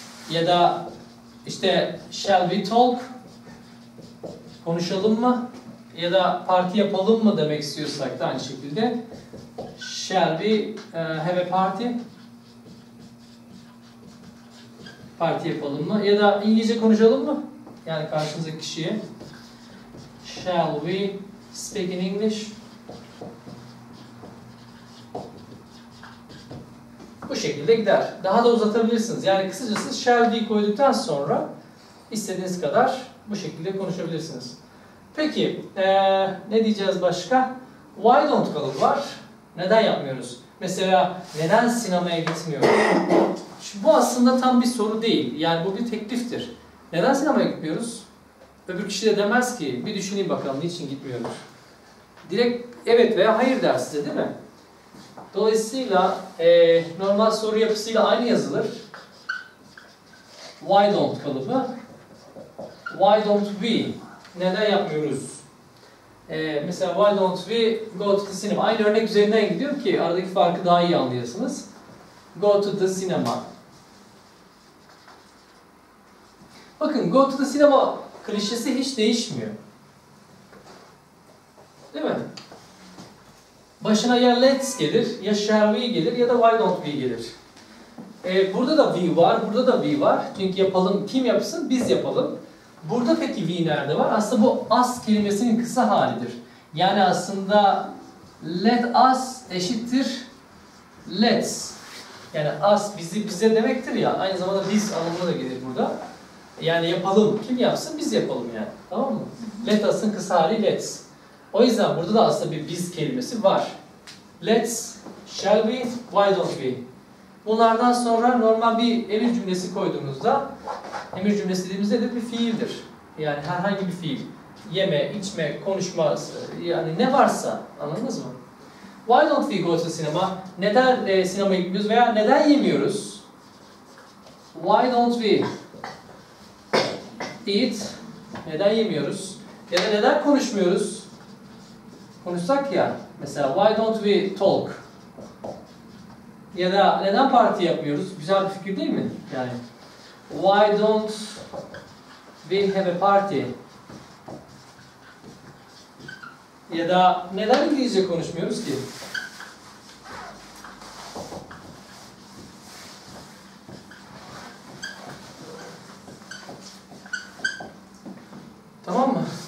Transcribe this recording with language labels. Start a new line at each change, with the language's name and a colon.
Turkish: Ya da işte
English: shall we talk?
Turkish: Konuşalım mı? Ya da parti yapalım mı demek istiyorsak da aynı şekilde.
English: Shall we have a party?
Turkish: Parti yapalım mı? Ya da İngilizce konuşalım mı? Yani karşınızdaki kişiye.
English: Shall we speak in English?
Turkish: Bu şekilde gider. Daha da uzatabilirsiniz. Yani kısacası shall we koyduktan sonra istediğiniz kadar bu şekilde konuşabilirsiniz. Peki, ne diyeceğiz başka? Why don't kalıp var. Neden yapmıyoruz? Mesela neden sinemaya gitmiyoruz? Şimdi bu aslında tam bir soru değil. Yani bu bir tekliftir. Neden sinemaya gitmiyoruz? Öbür kişi de demez ki bir düşüneyim bakalım niçin gitmiyoruz. Direkt evet veya hayır der size, değil mi? Dolayısıyla normal soru yapısıyla aynı yazılır.
English: Why don't kalıbı. Why don't we?
Turkish: Neden yapmıyoruz?
English: Mesela why don't we go to the cinema?
Turkish: Aynı örnek üzerinden gidiyor ki aradaki farkı daha iyi anlayasınız.
English: Go to the cinema.
Turkish: Bakın
English: go to the cinema
Turkish: klişesi hiç değişmiyor. Değil mi? Başına ya let's gelir, ya shall we gelir, ya da why don't we gelir. Burada da we var, burada da we var. Çünkü yapalım, kim yapsın? Biz yapalım. Burada peki we nerede var? Aslında bu us kelimesinin kısa halidir. Yani aslında let us eşittir let's. Yani us bizi bize demektir ya, aynı zamanda biz anlamına da gelir burada. Yani yapalım, kim yapsın? Biz yapalım yani. Tamam mı? Let us'ın kısa hali let's. O yüzden burada da aslında bir biz kelimesi var.
English: Let's, shall we, why don't we?
Turkish: Bunlardan sonra normal bir emir cümlesi koyduğunuzda, emir cümlesi dediğimizde de bir fiildir. Yani herhangi bir fiil. Yeme, içme, konuşma, yani ne varsa, anladınız mı?
English: Why don't we go to cinema?
Turkish: Neden sinemaya gitmiyoruz veya neden yemiyoruz?
English: Why don't we eat?
Turkish: Neden yemiyoruz? Ya da neden konuşmuyoruz? Konuşsak ya, mesela
English: why don't we talk?
Turkish: Ya da neden parti yapmıyoruz? Güzel bir fikir değil mi?
English: Yani why don't we have a party?
Turkish: Ya da neden İngilizce konuşmuyoruz ki? Tamam mı?